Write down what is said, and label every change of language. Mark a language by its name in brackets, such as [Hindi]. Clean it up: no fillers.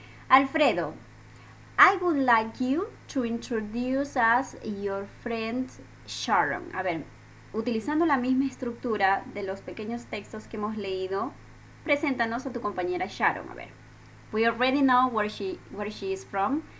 [English] Alfredo, I would like you to introduce us your friend Sharon. [Spanish] A ver, utilizando la misma estructura de los pequeños textos que hemos leído, preséntanos a tu compañera Sharon. [English] A ver, we already know where she is from.